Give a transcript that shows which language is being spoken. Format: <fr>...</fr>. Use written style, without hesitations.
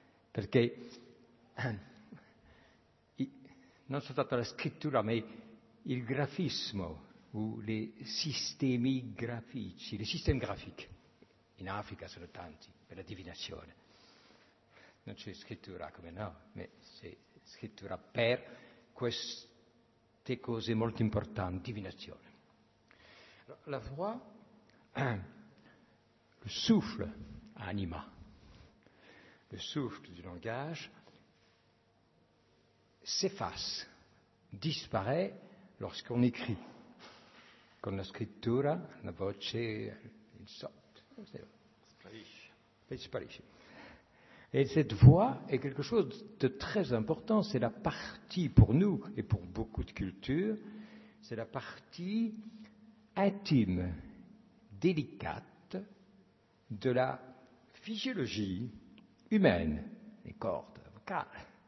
<it>Perché non soltanto la scrittura, ma il grafismo, o i sistemi grafici, le sistemi grafici. In Africa sono tanti, per la divinazione. Non c'è scrittura, come no, ma c'è scrittura per queste cose molto importanti, divinazione.</it> <fr>La voix, le souffle, anima, le souffle du langage, s'efface, disparaît lorsqu'on écrit.</fr> <it>Con la scrittura, la voce, il sotto, sparisce.</it> <fr>Et cette voix est quelque chose de très important, c'est la partie pour nous et pour beaucoup de cultures, c'est la partie intime, délicate de la physiologie humaine, les cordes vocales.</fr>